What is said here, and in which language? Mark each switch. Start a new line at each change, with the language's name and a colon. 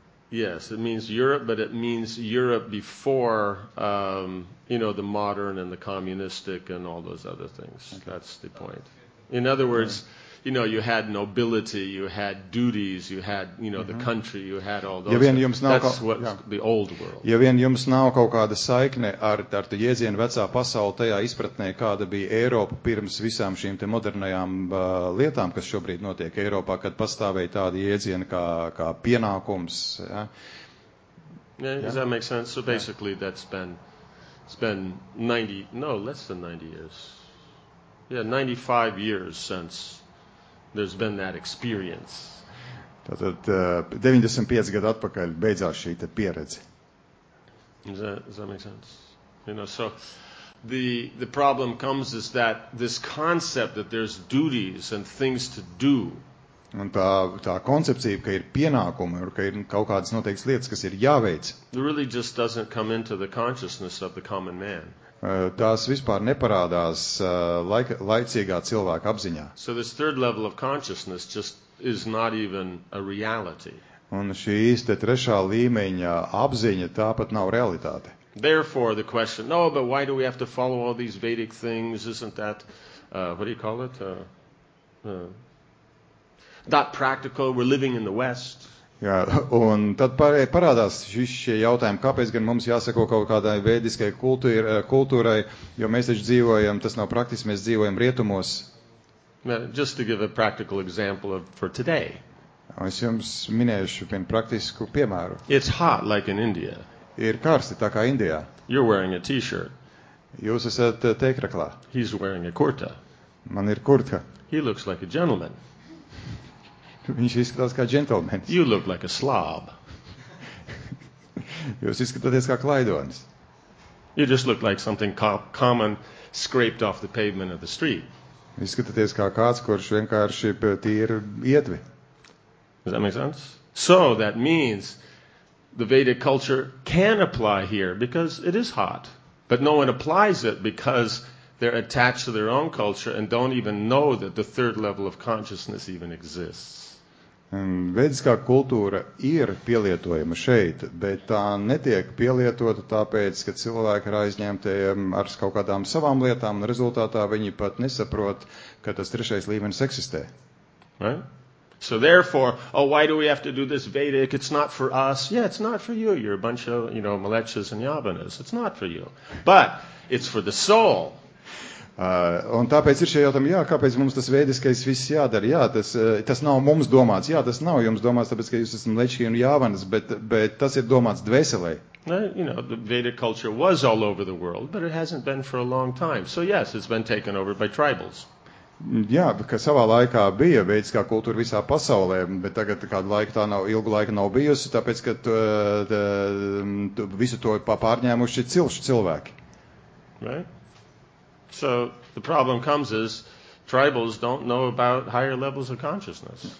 English: Yes, it means Europe, but it means Europe before, you know, the modern and the communistic and all those other things. Okay. That's the point. In other words, you know, you had nobility, you had duties, you had, you know, the country, you had all those.
Latvian: Ja vien jums nav
English: that's what the old world.
Latvian: Ja vien jums nav kaut kāda saikne ar tu jēzienu vecā pasauli tajā izpratnē, kāda bija Eiropa pirms visām šīm te modernajām lietām, kas šobrīd notiek Eiropā, kad pastāvēja tāda jēziena kā pienākums. Ja?
English: Yeah, does that make sense? So basically that's been 90, no, less than 90 years. Yeah, 95 years since there's been that experience.
Latvian: Tātad 95 gadu atpakaļ beidzās šī te pieredze.
English: Does that make sense? You know, so the problem comes is that this concept that there's duties and things to do.
Latvian: Un tā koncepcija, ka ir pienākumi, ka ir kaut kādas noteiktas lietas, kas ir jāveic.
English: Really just doesn't come into the consciousness of the common man.
Latvian: Tās vispār neparādās laicīgā cilvēka apziņā.
English: So this third level of consciousness just is not even a reality.
Latvian: Un šī īsta trešā līmeņa apziņa tāpat nav realitāte.
English: Therefore the question, no, but why do we have to follow all these Vedic things, isn't that, what do you call it, not practical, we're living in the West.
Latvian: Jā, un tad parādās šie jautājumi, kāpēc gan mums jāsako kaut kādai vēdiskai kultūrai, jo mēs taču dzīvojam, tas nav praktiski, mēs dzīvojam rietumos.
English: Just to give a practical example for today.
Latvian: Es jums minēšu vien praktisku piemēru.
English: It's hot like in India.
Latvian: Ir karsti tā kā Indijā.
English: You're wearing a t-shirt.
Latvian: Jūs esat teikraklā.
English: He's wearing a kurta.
Latvian: Man ir kurta.
English: He looks like a gentleman.
Latvian: Viņš izskatās kā džentlmenis.
English: You look like a slob.
Latvian: Jūs izskatāties kā klaidonis.
English: You just look like something common scraped off the pavement of the street.
Latvian: Jūs izskatāties kā kāds, kurš vienkārši tīri ietvi.
English: Does that make sense? So that means the Vedic culture can apply here because it is hot. But no one applies it because they're attached to their own culture and don't even know that the third level of consciousness even exists.
Latvian: Vediskā kultūra ir pielietojama šeit, bet tā netiek pielietota tāpēc, ka cilvēki ir aizņemti ar kaut kādām savām lietām, un rezultātā viņi pat nesaprot, ka tas trešais līmenis eksistē.
English: Right? So therefore, oh, why do we have to do this Vedic? It's not for us. Yeah, it's not for you. You're a bunch of, you know, malechas and yabanas. It's not for you. But it's for the soul.
Latvian: Un tāpēc ir šie jautājumi, jā, kāpēc mums tas vēdiskais viss jādara, jā, tas nav mums domāts, jā, tas nav jums domāts, tāpēc, ka jūs esam lečķi un jāvanas, bet tas ir domāts dvēselē.
English: You know, the Vedic culture was all over the world, but it hasn't been for a long time, so yes, it's been taken over by tribals.
Latvian: Jā, ka savā laikā bija vēdiskā kultūra visā pasaulē, bet tagad kādu laiku tā nav, ilgu laiku nav bijusi, tāpēc, ka tu visu to pārņēmuši cilšu cilvēki.
English: Right? So the problem comes is tribals don't know about higher levels of consciousness.